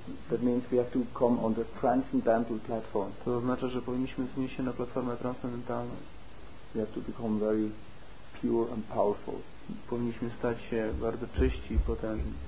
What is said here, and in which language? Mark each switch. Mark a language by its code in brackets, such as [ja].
[en] That means we have to come on the transcendental platform. [pl] To oznacza, że powinniśmy zmienić się na platformę transcendentalną. [en] We have to become very pure and powerful. [pl] Powinniśmy stać się bardzo czyści i potężni.